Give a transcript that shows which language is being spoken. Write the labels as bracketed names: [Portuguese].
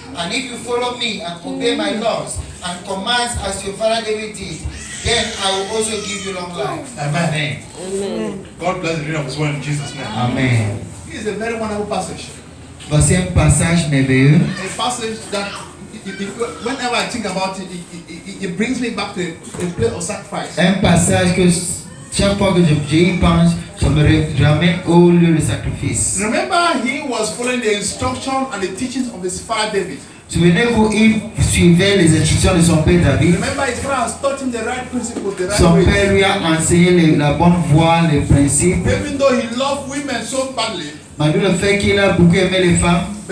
[English] And if you follow me and obey my laws and commands as your father David did, then I will also give you long life." Amen. Amen. God bless the reading of his word in Jesus' name. Amen. This is a very wonderful passage. [French] Voici un passage merveilleux. [English] A passage that whenever I think about it brings me back to a place of sacrifice. [French] Un passage que chaque fois que je pense, je me ramène au lieu de sacrifice. [English] Remember, he was following the instruction and the teachings of his father David. [French] Souvenez-vous, il suivait les instructions de son père David. [English] Remember, his father has taught him the right principles, the right son ways. [French] Père lui a enseigné la bonne voie, les principes. [English] Even though he loved women so badly. [French] Malgré le fait qu'il a beaucoup aimé les femmes.